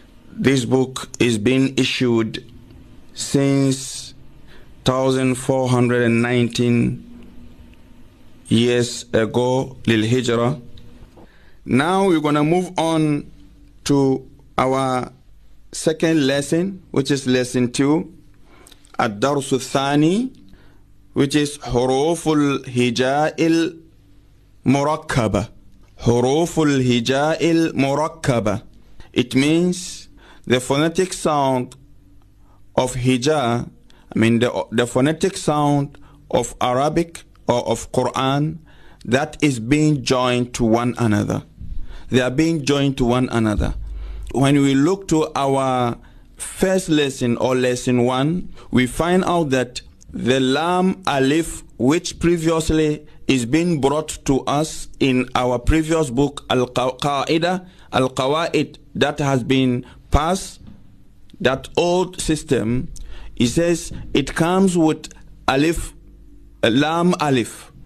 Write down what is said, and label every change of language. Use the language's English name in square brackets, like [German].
[English] This book is being issued since 1419 years ago, Lil Hijra. Now we're going to move on to our second lesson, which is lesson two. [Arabic] الدرس الثاني, [English] which is [Arabic] حروف الهجاء المركبة. حروف الهجاء المركبة. [English] It means the phonetic sound of hija, I mean the phonetic sound of Arabic or of Quran, that is being joined to one another. They are being joined to one another. When we look to our first lesson or lesson one, we find out that the lam alif, which previously is being brought to us in our previous book Al-Qawa'id, that has been passed, that old system, he says it comes with alif, lam alif.